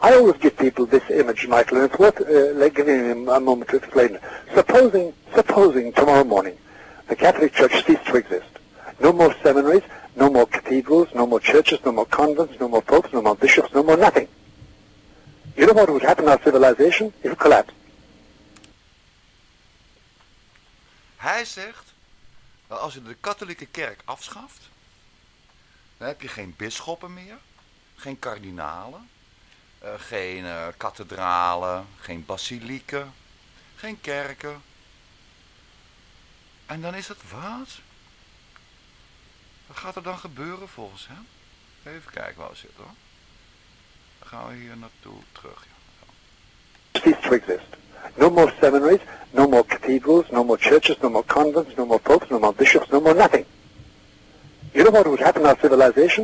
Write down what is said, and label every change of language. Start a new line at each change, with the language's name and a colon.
English: I always give people this image, Michael, and it's worth giving him a moment to explain. Supposing tomorrow morning the Catholic Church ceased to exist. No more seminaries, no more cathedrals, no more churches, no more convents, no more popes, no more bishops, no more nothing. You know what would happen to our civilization? It would collapse.
Dutch: Hij zegt, als je de katholieke kerk afschaft, dan heb je geen bisschoppen meer, geen kardinalen, geen kathedralen, geen basilieken, geen kerken. En dan is het wat? Wat gaat er dan gebeuren volgens hem? Even kijken waar we zitten hoor. Dan gaan we hier naartoe terug. Ja.
English: Cease to exist. No more seminaries, no more cathedrals, no more churches, no more convents, no more popes, no more bishops, no more nothing. You know what would happen to our civilization?